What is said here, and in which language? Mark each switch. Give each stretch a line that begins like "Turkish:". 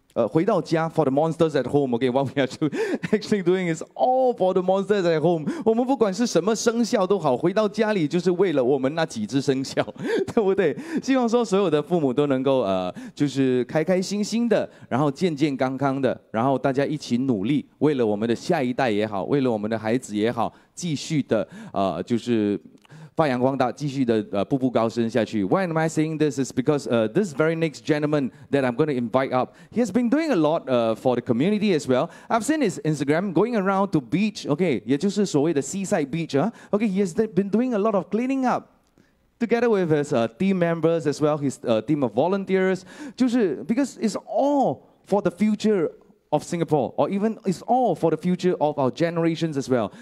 Chinese: 回到家
English: for the monsters at home, okay, what we are actually doing is all for the monsters at home.
Chinese: 我们不管是什么生肖都好，回到家里就是为了我们那几只生肖，对不对？希望说所有的父母都能够就是开开心心的，然后健健康康的，然后大家一起努力，为了我们的下一代也好，为了我们的孩子也好，继续的就是发扬光大，继续的步步高升下去。
English: Why am I saying this is because this very next gentleman that I'm going to invite up, he has been doing a lot for the community as well. I've seen his Instagram going around to beach, okay,
Chinese: 也就是所谓的
English: seaside beach, okay, he has been doing a lot of cleaning up together with his team members as well, his team of volunteers,
Chinese: 就是
English: because it's all for the futureOf Singapore, or even it's all for the future of our generations as well.